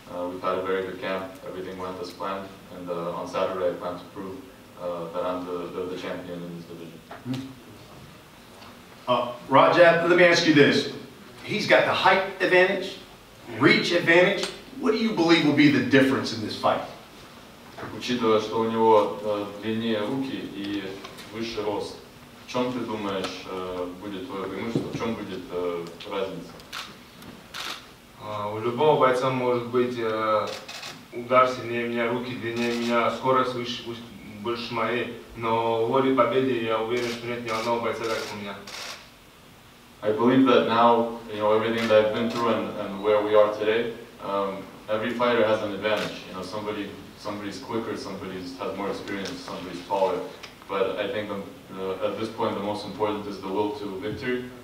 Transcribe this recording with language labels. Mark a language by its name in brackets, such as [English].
[English] We've had a very good camp, everything went as planned, and on Saturday I plan to prove that I'm the champion in this division. Radzhab, let me ask you this. He's got the height advantage, reach advantage. What do you believe will be the difference in this fight? [Russian] Учитывая, что у него длиннее руки и выше рост, в чем ты думаешь будет твое преимущество, в чем будет разница? У любого бойца может быть удар сильнее меня, руки длиннее меня, скорость выше, больше моей. Но воли победы я уверен, что нет ни одного бойца, как у меня. [English] I believe that now, you know, everything that I've been through and where we are today, every fighter has an advantage. You know, somebody's quicker, somebody's has more experience, somebody's taller. But I think at this point the most important is the will to victory.